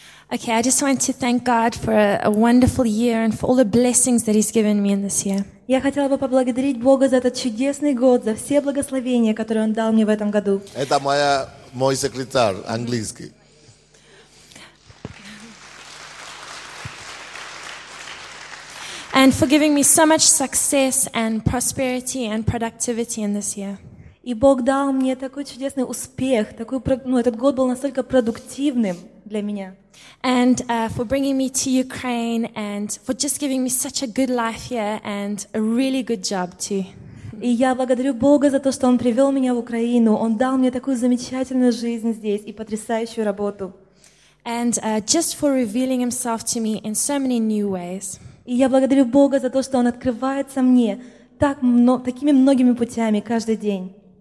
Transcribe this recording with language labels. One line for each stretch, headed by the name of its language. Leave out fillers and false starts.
English: Okay, I just want to thank God for a wonderful year and for all the blessings that He's given me in this year.
Russian: Я хотела бы поблагодарить Бога за этот чудесный год, за все благословения, которые Он дал мне в этом году. Это мой секретарь английский.
English: And for giving me so much success and prosperity and productivity in this year.
Russian: И Бог дал мне такой чудесный успех, такой, ну, этот год был настолько продуктивным для меня.
English: And for bringing me to Ukraine and for just giving me such a good life here and a really good job too.
Russian: И я благодарю Бога за то, что Он привел меня в Украину. Он дал мне такую замечательную жизнь здесь и потрясающую работу.
English: And just for revealing Himself to me in so many new ways.
Russian: И я благодарю Бога за то, что Он открывается мне так много, такими многими путями каждый день.